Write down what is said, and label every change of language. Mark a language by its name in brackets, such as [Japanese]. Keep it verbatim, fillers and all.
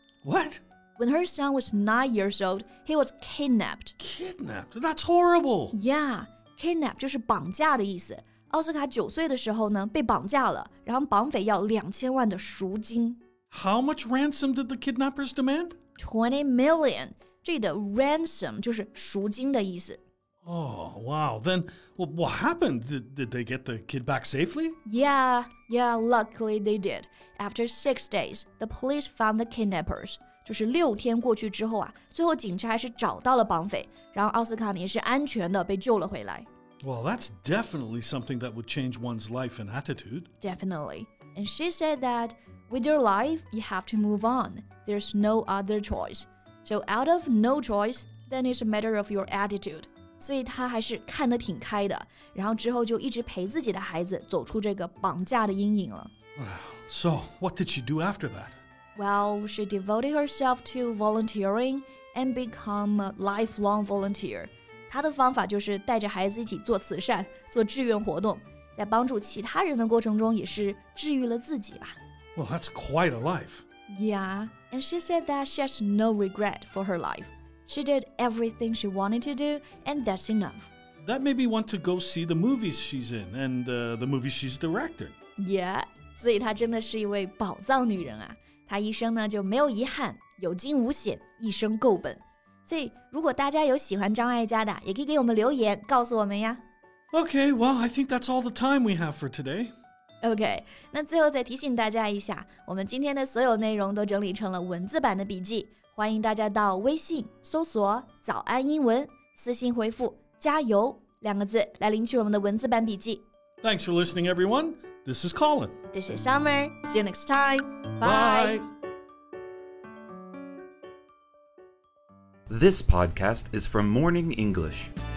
[English] What? When her son was nine years old, he was kidnapped. Kidnapped? That's horrible. [Chinese] Yeah, kidnap 就是绑架的意思。奥斯卡九岁的时候呢，被绑架了，然后绑匪要两千万的赎金。 [English] How much ransom did the kidnappers demand? Twenty million. [Chinese] 这里的 ransom 就是赎金的意思。 [English] Oh, wow. Then what happened? Did, did they get the kid back safely? Yeah, yeah. Luckily, they did. After six days, the police found the kidnappers. [Chinese] 就是六天过去之后啊，最后警察还是找到了绑匪，然后奥斯卡也是安全的被救了回来。 [English] Well, that's definitely something that would change one's life and attitude. Definitely. And she said that with your life, you have to move on. There's no other choice. So out of no choice, then it's a matter of your attitude. [Chinese] 所以她还是看得挺开的，然后之后就一直陪自己的孩子走出这个绑架的阴影了。 [English] So, what did she do after that? Well, she devoted herself to volunteering and become a lifelong volunteer. [Chinese] 她的方法就是带着孩子一起做慈善，做志愿活动，在帮助其他人的过程中也是治愈了自己吧。 [English] Well, that's quite a life. Yeah, and she said that she has no regret for her life. She did everything she wanted to do, and that's enough. That made me want to go see the movies she's in and、uh, the movies she's directed. [Chinese] Yeah, 所以她真的是一位宝藏女人啊！她一生呢就没有遗憾，有惊无险，一生够本。所以如果大家有喜欢张艾嘉的，也可以给我们留言告诉我们呀。 [English] Okay, well, I think that's all the time we have for today. [Chinese] Okay, 那最后再提醒大家一下，我们今天的所有内容都整理成了文字版的笔记，欢迎大家到微信搜索早安英文，私信回复加油两个字来领取我们的文字版笔记。 [English] Thanks for listening, everyone. This is Colin. This is Summer. See you next time. Bye. Bye. This podcast is from Morning English.